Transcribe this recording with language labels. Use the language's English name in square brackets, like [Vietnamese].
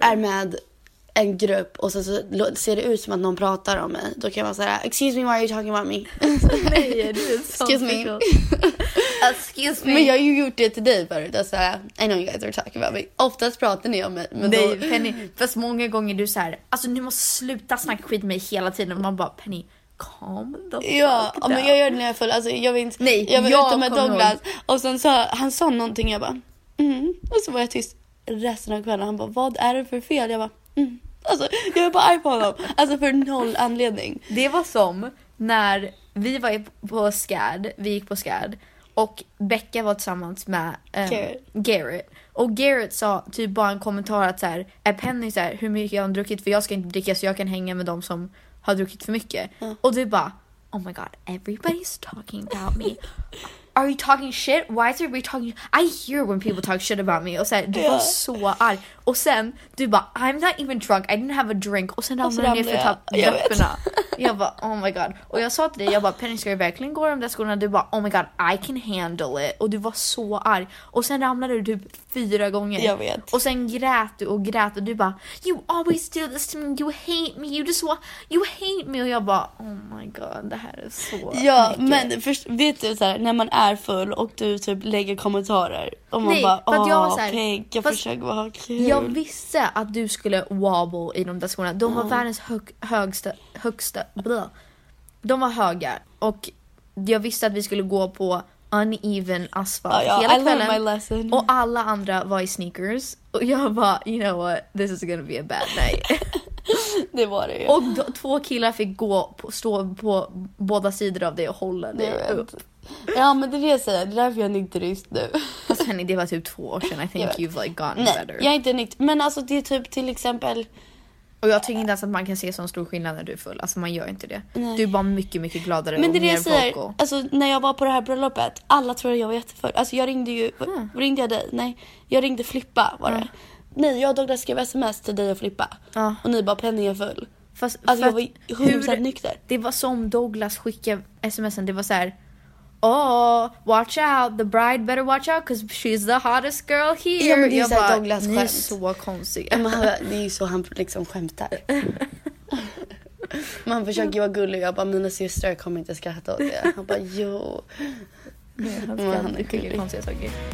[Swedish] Jag är med en grupp och sen så ser det ut som att någon pratar om mig, då kan jag vara såhär, [English] excuse me, why are you talking about me? excuse me. [Swedish] Men jag har ju gjort det till dig förut, så här, [English] I know you guys are talking about me. [Swedish] Oftast pratar ni om mig, men nej, då... Penny, fast många gånger du såhär, alltså ni måste sluta snacka skit med mig hela tiden. Och man bara, [English] Penny, calm the fuck down. [Swedish] Men jag gör det när jag är full, alltså, jag vet inte. Nej, jag var ute med Douglas ihåg. Och sen så, han sa någonting, jag bara och så var jag tyst resten av kvällen. Han bara, vad är det för fel? Jag bara, alltså, jag är på iPhone. Alltså för noll anledning. Det var som när vi var på Skad. Vi gick på Skad. Och Becka var tillsammans med Garrett. Och Garrett sa typ bara en kommentar att så här, är Penny så här, hur mycket jag har druckit? För jag ska inte dricka så jag kan hänga med dem som har druckit för mycket. Och du bara, [English] oh my god, everybody's talking about me. Are you talking shit? Why is everybody talking? I hear when people talk shit about me. [Swedish] Och så här, du var så arg. Och sen, du bara, [English] I'm not even drunk, I didn't have a drink. [Swedish] Och sen hamnade jag ner för trapporna. Jag bara, [English] oh my god. [Swedish] Och jag sa till dig, jag bara, Penny, ska jag verkligen gå i de där skolorna? Du bara, [English] oh my god, I can handle it. [Swedish] Och du var så arg. Och sen ramlade du typ 4 gånger. Jag vet. Och sen grät. Och du bara, [English] you always do this to me, you hate me, you just want, you hate me. [Swedish] Och jag bara, [English] oh my god, [Swedish] det här är så Ja, mycket. Men först, vet du så här, när man är full och du typ lägger kommentarer. Och man bara, åh, jag var så här, okay, jag försöker vara kul. Jag visste att du skulle wobble i de där skorna. De var världens högsta. Blå. De var höga. Och jag visste att vi skulle gå på [English] uneven [Swedish] asfalt hela kvällen. [English] I learned my lesson. [Swedish] Och alla andra var i sneakers. Och jag bara, [English] you know what, this is gonna be a bad night. [Swedish] Det var det ju. Och två killar fick gå på, stå på båda sidor av det och hålla det upp. Ja, men det vill jag säga, det är därför jag är nykterist nu. Fast hörni, det var typ 2 år sedan. [English] I think you've like gotten better. [Swedish] Jag är inte nykter, men alltså det är typ till exempel. Och jag tycker inte ens att man kan se sån stor skillnad när du är full, alltså man gör inte det. Nej. Du är bara mycket, mycket gladare. Men det är det jag säger, alltså när jag var på det här bröllopet, alla tror jag var jättefull, alltså jag ringde ju ringde jag dig? Nej, jag ringde Flippa var det? Nej, jag och Douglas skrev sms till dig och Flippa. Och ni bara, Penny är full. Fast, alltså jag var 100% nykter. Det var som Douglas skickade smsen. Det var så här. [English] Oh, watch out, the bride better watch out, cause she's the hottest girl here. [Swedish] Ja, men det är ju såhär Douglas skämt. Ni är så konstiga. Man, det är ju så han liksom skämtar. Man försöker ju vara gullig. Jag bara, mina systrar kommer inte skratta åt det. Han bara, jo. Men han är gullig. Konstiga saker.